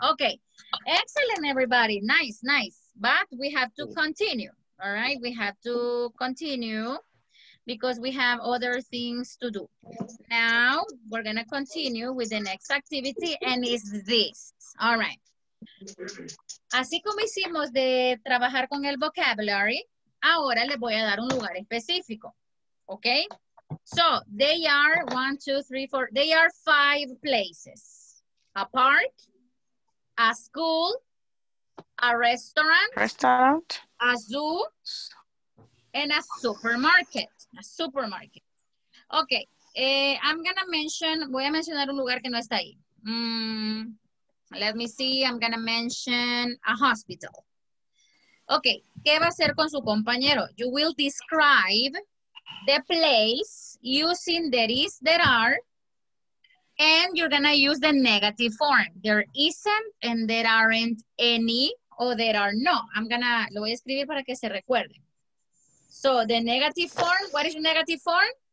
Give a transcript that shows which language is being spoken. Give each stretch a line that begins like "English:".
English: Okay, excellent, everybody. Nice, nice. But we have to continue. All right, we have to continue because we have other things to do. Now we're gonna continue with the next activity, and is this. All right.
Spanish: Así como hicimos de trabajar con el vocabulary, ahora les voy a dar un lugar específico, ¿ok?
English: So, they are 1, 2, 3, 4, they are 5 places. A park, a school, a restaurant, restaurant, a zoo, and a supermarket, Ok, I'm gonna mention,
Spanish: un lugar que no está ahí.
English: Let me see, I'm gonna mention a hospital.
Spanish: Ok, ¿qué va a hacer con su compañero?
English: You will describe the place using there is, there are, and you're gonna use the negative form. There isn't and there aren't any, or there are no.
Spanish: Lo voy a escribir para que se recuerde.
English: So, the negative form, what is your negative form?